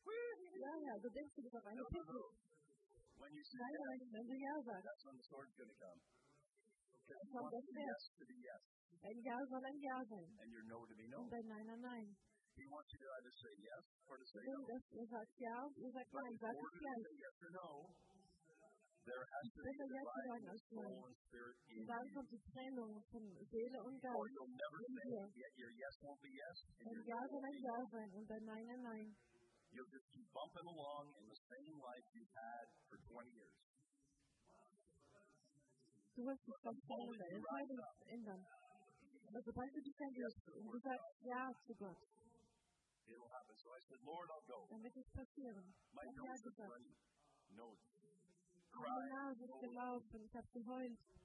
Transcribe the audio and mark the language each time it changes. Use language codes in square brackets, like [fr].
[de] Ja, du denkst, du bist auf einem Picknick. Nein, wenn du ja sagst, [en] that's when the sword's gonna come. Okay. [de] Dann kommt das Schwert. [en] Yes to be yes. [de] Ein Ja soll ein Ja sein. [en] And your no to be no. [de] Und dein Nein ein Nein. [en] He wants you to either say yes or to say no. [de] Du sagst ja, du sagst nein. [en] But in order to say yes or no, there has to be a divine soul and spirit in you. [de] Dann kommt die Trennung von Seele und Geist. [en] Or you'll never say yes. [de] Ein Ja soll ein Ja sein und ein Nein ein Nein. [en] You'll just keep bumping along in the same life you've had for 20 years. [de] Du wirst dich verstehen, dein Leben ändern. Aber sobald du dich änderst und du sagst Ja zu Gott, [en] it'll happen. So I said, Lord, I'll go. [de] Dann wird es passieren. Mein Ja ist gesagt. [en] No. [de] Mein Ja ist gelaufen. Ich habe geheult.